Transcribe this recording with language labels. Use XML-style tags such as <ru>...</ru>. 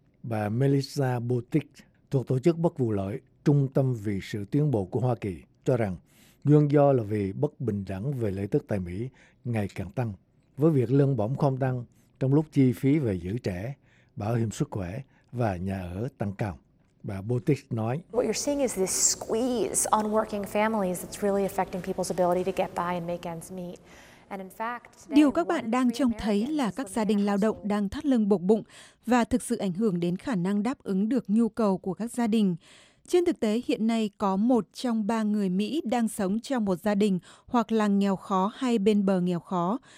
<vi>Bà Melissa Boutique thuộc tổ chức bất vụ lợi Trung tâm vì sự tiến bộ của Hoa Kỳ cho rằng nguyên do là vì bất bình đẳng về lợi tức tại Mỹ ngày càng tăng, với việc lương bổng không tăng trong lúc chi phí về giữ trẻ, bảo hiểm sức khỏe và nhà ở tăng cao. Bà Botich nói:</vi> <en>"What you're seeing is this squeeze on working families that's really affecting people's ability to get by and make ends meet."</en> <vi>Điều các bạn đang trông thấy là các gia đình lao động đang thắt lưng buộc bụng và thực sự ảnh hưởng đến khả năng đáp ứng được nhu cầu của các gia đình. Trên thực tế, hiện nay có một trong ba người Mỹ đang sống trong một gia đình hoặc là nghèo khó hay bên bờ nghèo khó.</vi>